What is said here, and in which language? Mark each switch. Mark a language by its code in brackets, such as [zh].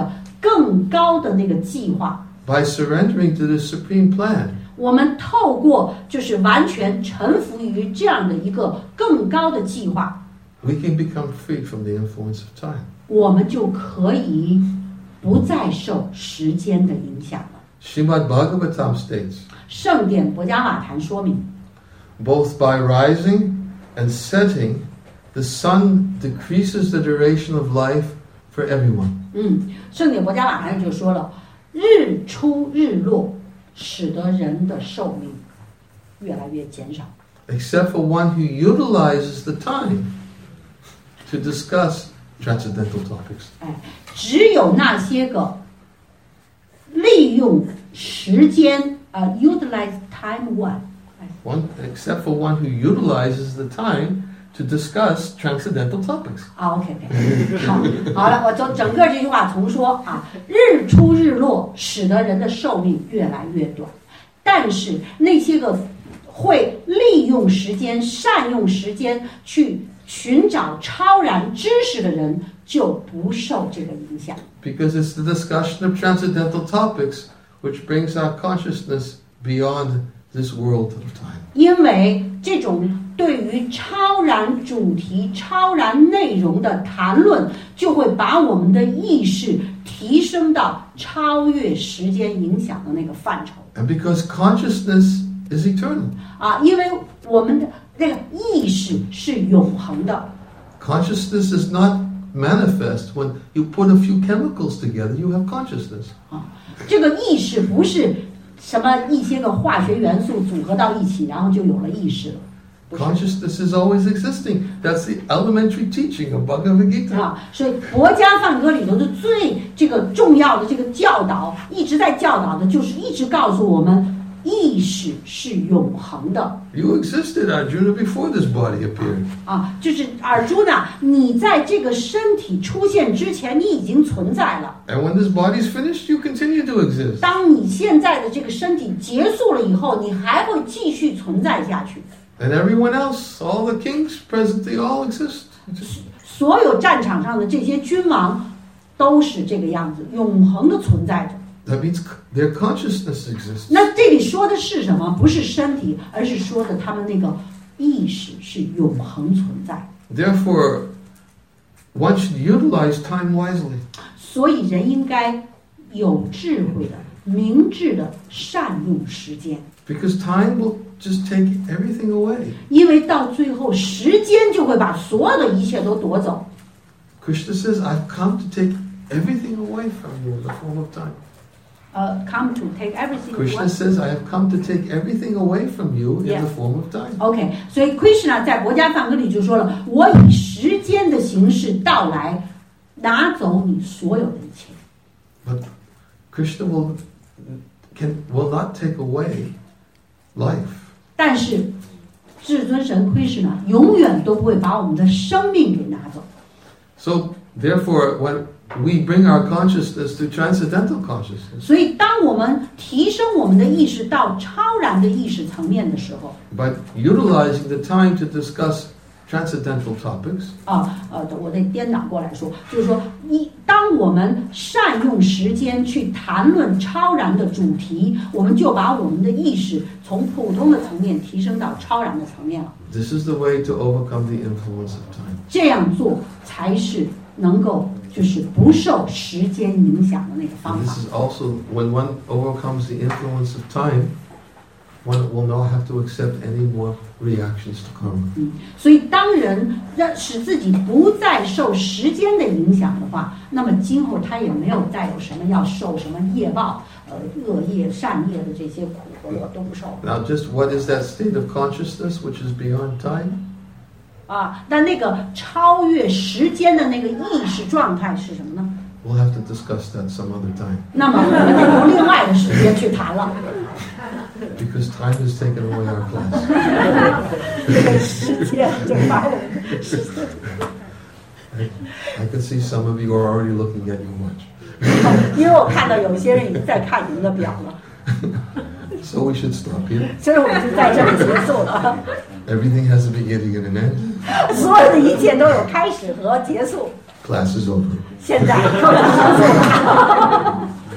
[zh] 而且当我们接受了至尊者所制定的更高的那个计划。 [en] By surrendering to the supreme plan, [zh] 我们透过就是完全臣服于这样的一个更高的计划， [en] we can become free from the influence of time. [zh] 我们就可以不再受时间的影响了。 [en] Srimad Bhagavatam states, [zh] 圣典博迦瓦坛说明, [en] both by rising and setting, the sun decreases the duration of life for everyone. [zh] 圣典博迦瓦坛就说了，日出日落使得人的寿命越来越减少。 [en] Except for one who utilizes the time to discuss transcendental topics. [zh] 只有那些个利用时间 [en] utilize time one. Except for one who utilizes the time to discuss transcendental topics. Okay. [zh] 好了，我从整个这句话重说啊，日出日落使得人的寿命越来越短，但是那些个会利用时间、善用时间去寻找超然知识的人就不受这个影响。 [en] Because it's the discussion of transcendental topics which brings our consciousness beyond this world of time. [zh] 因为这种对于超然主题、超然内容的谈论就会把我们的意识提升到超越时间影响的那个范畴。 [en] And because consciousness is eternal. [zh] 因为我们的那个意识是永恒的。 [en] Consciousness is not manifest when you put a few chemicals together, you have consciousness. [zh] 这个意识不是什么一些个化学元素组合到一起，然后就有了意识了。 [en] Consciousness is always existing. That's the elementary teaching of Bhagavad Gita. [zh] 所以佛家梵歌里头的最这个重要的这个教导，一直在教导的就是一直告诉我们。意识是永恒的。 [en] You existed, Arjuna, before this body appeared. [zh] 就是 Arjuna, 你在这个身体出现之前，你已经存在了。 [en] And when this body is finished, you continue to exist. [zh] 当你现在的这个身体结束了以后，你还会继续存在下去。 [en] And everyone else, all the kings present, they all exist. [zh] 所有战场上的这些君王都是这个样子，永恒的存在着。 [en] That means their consciousness exists. [zh] 那这里说的是什么？不是身体，而是说的他们那个意识是永恒存在。 [en] Therefore, one should utilize time wisely. [zh] 所以人应该有智慧的、明智的善用时间。 [en] Because time will just take everything away. [zh] 因为到最后，时间就会把所有的一切都夺走。 [en] Krishna says, "I've come to take everything away from you in the form of time." Come to take everything. Krishna says, "I have come to take everything away from you in the form of time." Okay, so [zh] Krishna 在《博迦梵歌》里就说了，我以时间的形式到来，拿走你所有的一切。 [en] But Krishna will not take away life. [zh] 但是至尊神 Krishna 永远都不会把我们的生命给拿走。 [en] So therefore, when we bring our consciousness to transcendental consciousness. [zh] 所以当我们提升我们的意识到超然的意识层面的时候， [en] by utilizing the time to discuss transcendental topics. [zh] 我得颠倒过来说，就是说，当我们善用时间去谈论超然的主题，我们就把我们的意识从普通的层面提升到超然的层面了。 [en] This is the way to overcome the influence of time. [zh] 这样做才是能够就是不受时间影响的那个方法。 [en] And this is also when one overcomes the influence of time, one will not have to accept any more reactions to karma. [zh] 所以当人使自己不再受时间的影响的话，那么今后他也没有再有什么要受什么业报，恶业、善业的这些苦，我都不受。 [en] Now, just what is that state of consciousness which is beyond time? [zh] 但那个超越时间的那个意识状态是什么呢？ [en] We'll have to discuss that some other time. [zh] 那么我们得用另外的时间去谈了。 [en] Because time has taken away our class. [zh] 时间就把我。 [en] I can see some of you are already looking at your watch. [zh] 因为我看到有些人已经在看您的表了。 [en] So we should stop here. [zh] 所以我们就在这里结束了。 [en] Everything has a beginning and an end. [zh] 所有的一切都有开始和结束。 [en] Class is over. [zh] 现在课结束了。